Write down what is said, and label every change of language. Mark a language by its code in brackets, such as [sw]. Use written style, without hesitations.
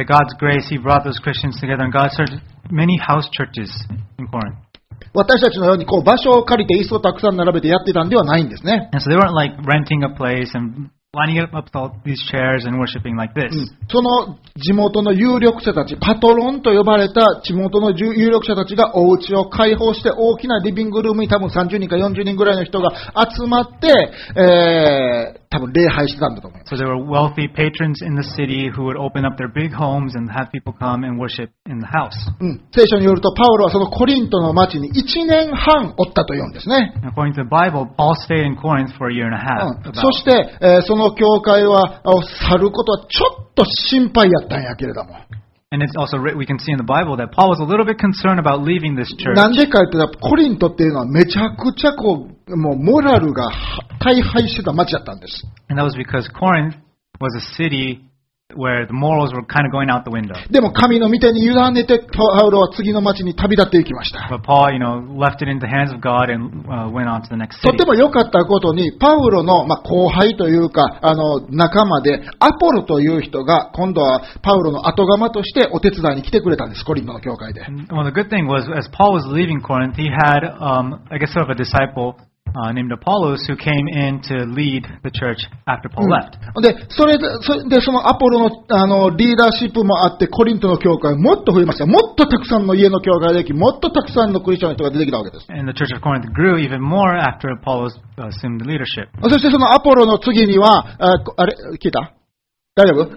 [en] By God's grace, He brought those Christians together, and God started many house churches in Corinth. [ja] 私たちのようにこう場所を借りて椅子をたくさん並べてやってたんではないんですね。 [en] And so they weren't like renting a place and lining up all these chairs and worshiping like this.、うん、 [ja] その地元の有力者たち、パトロンと呼ばれた地元の有力者たちがお家を開放して大きなリビングルームに多分30人か40人ぐらいの人が集まって、多分礼拝してたんだと思います。 [en] So there were wealthy patrons in the city who would open up their big homes and have people come and worship in the house.、 [ja] うん、聖書によるとパウロはそのコリントの町に1年半おったと言うんですね。 [en] According to the Bible, Paul stayed in Corinth for a year and a half.、う [ja] ん、そして、その教会は去ることはちょっと心配やったんやけれども。 [en] And it's also we can see in the Bible that Paul was a little bit concerned about leaving this church. [ja] なんでかっていうと、コリントっていうのはめちゃくちゃこう、もうモラルが大敗してた町だったんです。 [en] And that was because Corinth was a city where the morals were kind of going out the window. [ja] でも神の御手に委ねて、パウロは次の町に旅立っていきました。 [en] But Paul, you know, left it in the hands of God and went on to the next city. [ja] とても良かったことに、パウロの、まあ、後輩というか、仲間で、アポロという人が今度はパウロの後釜としてお手伝いに来てくれたんです、コリントの教会で。 [en] Well, the good thing was, as Paul was leaving Corinth, he had, I guess, sort of a disciple. Named Apollos, who came in to lead the church after Paul left. [ja] で、それで、そのアポロの、リーダーシップもあって、コリントの教会もっと増えました。もっとたくさんの家の教会ができ、もっとたくさんのクリスチャンの人が出てきたわけです。 [en] And the church of Corinth grew even more after Apollos assumed the leadership. [ja] そしてそのアポロの次には、あれ、聞いた?大丈夫?